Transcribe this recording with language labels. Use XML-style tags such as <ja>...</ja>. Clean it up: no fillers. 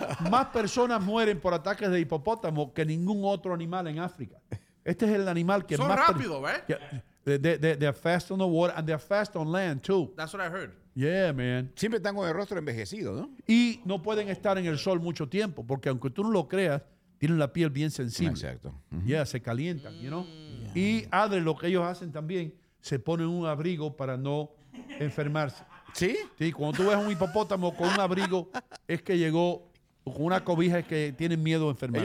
<es>Más personas mueren por ataques de hipopótamo que ningún otro animal en África. Este es el animal que son más... Son rápidos, ¿verdad?</es> <en>They are fast on the water and they are fast on land, too. That's what I heard. Yeah, man.</en> <es>Siempre están con el rostro envejecido, ¿no? Y no pueden estar en el sol mucho tiempo porque aunque tú no lo creas, tienen la piel bien sensible. Exacto. Uh-huh. Ya, yeah, se calientan,</es> <en>you know?</en> <es>Yeah. Y Adre, lo que ellos hacen también, se ponen un abrigo para no enfermarse. ¿Sí? Sí, cuando tú ves un hipopótamo con un abrigo, es que llegó con una cobija, es que tienen miedo de enfermarse.</es>